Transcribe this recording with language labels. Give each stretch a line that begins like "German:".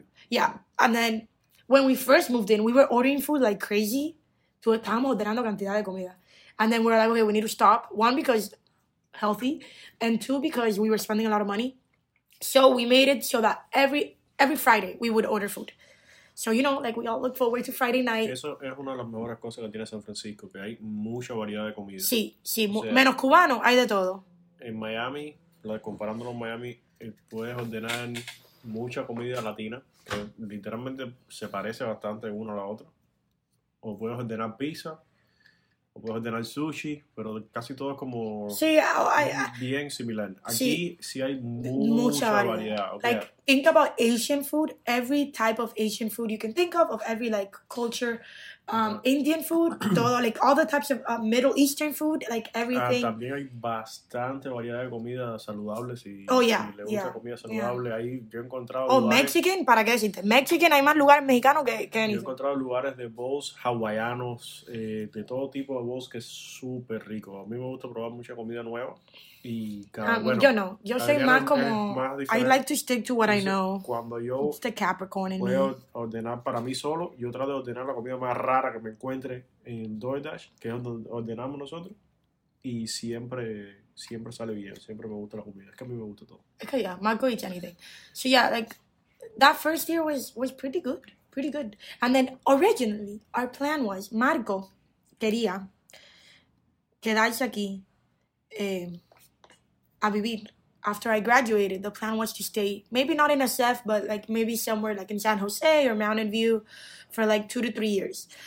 English: Yeah. And then when we first moved in, we were ordering food like crazy.
Spanish: Estábamos ordenando cantidad de comida.
English: And then we're like, okay, we need to stop. One, because healthy. And two, because we were spending a lot of money. So we made it so that every Friday we would order food. So, you know, like, we all look forward to Friday night.
Spanish: Eso es una de las mejores cosas que tiene San Francisco, que hay mucha variedad de comida. Sí, sí. O sea, menos cubano, hay de todo. En Miami, comparándolo con Miami, puedes ordenar mucha comida latina, que literalmente se parece bastante una a la otra. O puedes ordenar pizza. O puedes ordenar sushi, pero casi todo es como sí, bien similar. Aquí sí, sí hay mucha variedad. Okay.
English: Like, think about Asian food, every type of Asian food you can think of every, like, culture. Indian food, todo, like, all the types of Middle Eastern food, like, everything.
Spanish: También hay bastante variedad de comida saludable. Si, oh, yeah. Si le gusta, yeah, comida saludable, yeah. Ahí yo he encontrado lugares. Mexican, ¿para qué decirte? Mexican, hay más lugares mexicanos que yo he encontrado lugares de bowls hawaianos, de todo tipo de bowls, que es súper rico. A mí me gusta probar mucha comida nueva. Y cada, bueno, yo no. Yo soy más como...
English: Más I like to stick to what I know.
Spanish: Cuando yo...
English: It's the Capricorn in
Spanish: me. Voy a ordenar para mí solo. Yo trato de ordenar la comida más rara que me encuentre en DoorDash, que es donde ordenamos nosotros. Y siempre, siempre sale bien. Siempre me gusta la comida. Es que a mí me gusta todo.
English: Okay, yeah. Marco eats anything. So, yeah, like, that first year was pretty good. Pretty good. And then, originally, our plan was, Marco
Spanish: quería quedarse aquí... a vivir.
English: After I graduated, the plan was to stay, maybe not in SF, but, like, maybe somewhere, like, in San Jose or Mountain View for, like, 2 to 3 years.